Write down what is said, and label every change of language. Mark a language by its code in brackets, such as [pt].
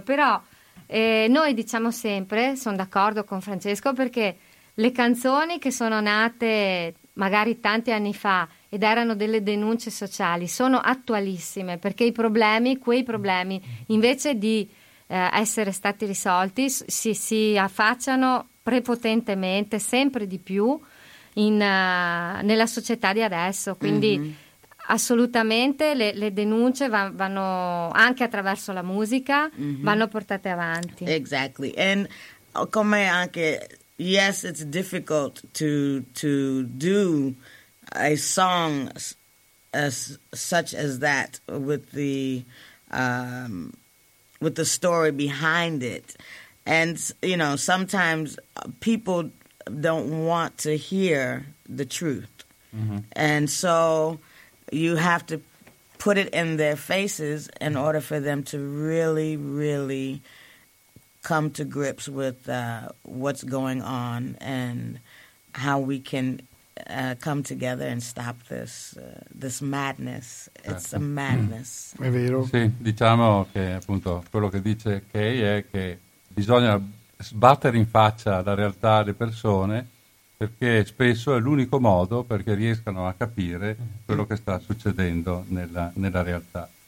[it] Però noi diciamo sempre, sono d'accordo con Francesco, perché le canzoni che sono nate magari tanti anni fa ed erano delle denunce sociali sono attualissime, perché i problemi, quei problemi, invece di essere stati risolti, si affacciano prepotentemente sempre di più nella società di adesso, quindi mm-hmm, assolutamente le denunce vanno anche attraverso la musica, mm-hmm, vanno portate avanti. [en] Exactly, and [it] come anche [en] yes, it's difficult to do a song such as that with the story behind it, and you know sometimes people don't want to hear the truth, mm-hmm, and so you have to put it in their faces in order for them to really, really come to grips with what's going on and how we can come together and stop this madness. [it] Certo. [en] It's a madness. [it] È vero. Sì, diciamo che appunto quello che dice Kay è che bisogna sbattere in faccia la realtà alle persone, perché spesso è l'unico modo perché riescano a capire quello che sta succedendo nella realtà.